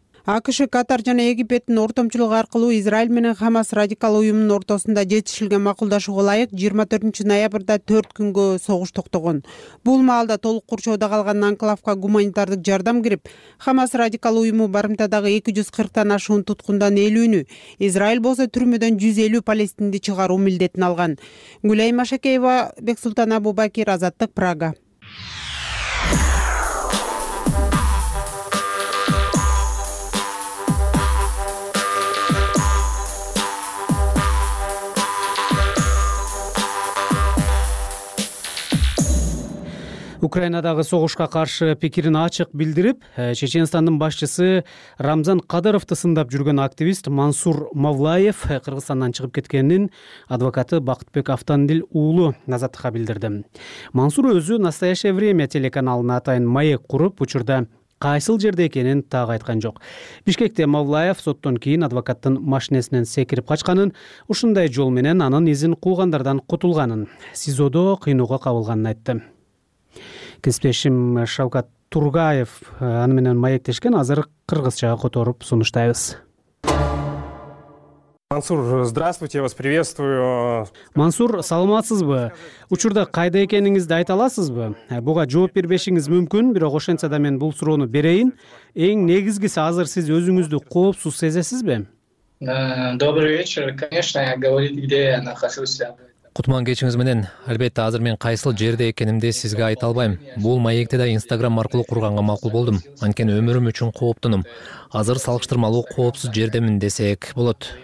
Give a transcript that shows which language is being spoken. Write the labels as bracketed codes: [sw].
[ky] АКШ, Катар жана Египеттин ортомчулугу аркылуу Израиль менен Хамас радикал уюмунун ортосунда жетишилген макулдашууга ылайык 24 ноябрда 4 күнгө согуш токтогон. Бул маалда толук курчоодо калган анклавга гуманитардык жардам кирип, Хамас радикал уюму барымтадагы 240 ашуун туткундан 50 Израиль болсо түрмөдөн 150 палестинди чыгаруу милдетин алган. Гүлайма Шакеева, Бексултан Абубакир, Азаттык, Прага. Украинадагы согушка каршы пикирин ачык билдирип, Чечениянын башчысы Рамзан Кадыровту сындап жүргөн активист Мансур Мавлаев Кыргызстандан чыгып кеткенин адвокаты Бакытбек Автандил уулу Назатка билдирди. Мансур өзү «Настоящее время» телеканалына атайын маек куруп, учурда кайсыл жерде экенин так айткан жок. Бишкекте Мавлаев соттон кийин адвокаттын машинесинен секирип качканын, ушундай жол менен анын изин куугандардан кутулганын, СИЗОдо кыйноого кабылганын айтты. Кесиптешим Шавкат Тургаев аны менен маектешкен, азыр кыргызчага которуп сунуштайбыз. [ru] Мансур, здравствуйте, я вас приветствую. [ky] Мансур, саламатсызбы? Учурда кайда экениңизди айта аласызбы? Буга жооп бербешиңиз мүмкүн, бирок ошентсе да мен бул суроону берейин. Эң негизгиси, азыр сиз өзүңүздү коопсуз сезесизби? [ru] Добрый вечер. Конечно, я говорить где я нахожусь. [ky] Кутман кечиңиз менен. Албетте, азыр мен кайсыл жерде экенимди сизге айта албайм. Бул маекте да Instagram аркылуу курганга макул болдум. Анткени өмүрүм үчүн кооптонум. Азыр салыштырмалуу коопсуз жердемин десек болот.